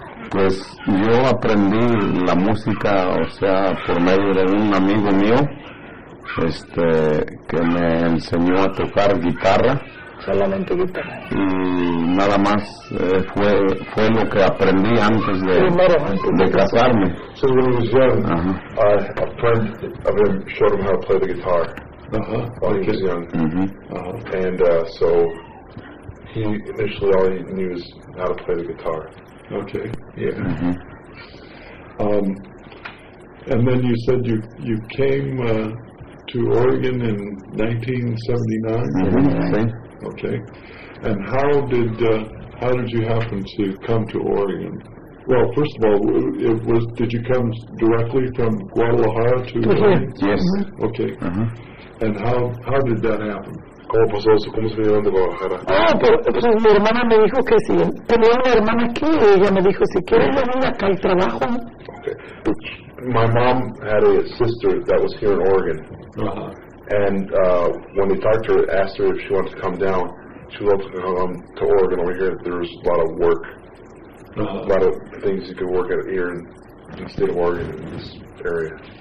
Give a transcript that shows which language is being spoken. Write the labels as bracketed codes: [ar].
[es] Pues yo aprendí la música, o sea, por medio de un amigo mío, que me enseñó a tocar guitarra. Solamente guitarra. Y nada más fue lo que aprendí antes de primero, de casarme. [en] So when I was young, a friend of him showed him how to play the guitar. While he was young. Uh-huh. And so he initially all he knew is how to play the guitar. Okay. Yeah. Mm-hmm. And then you said you came to Oregon in 1979. Mm-hmm. Okay. And how did you happen to come to Oregon? Well, first of all, it was, did you come directly from Guadalajara to here? Yes. Mm-hmm. Okay. Mm-hmm. And how did that happen? [es] ¿Cómo pasó eso? ¿Cómo se vinieron de Guadalajara? Ah, pues mi hermana me dijo que si tenía una hermana aquí, y ella me dijo, si quieres venir acá al trabajo. [en] Okay. My mom had a sister that was here in Oregon. Uh-huh. And when they talked to her, asked her if she wanted to come down, she loved to come to Oregon over here. There was a lot of work. Uh-huh. A lot of things you could work at here in the state of Oregon in this area.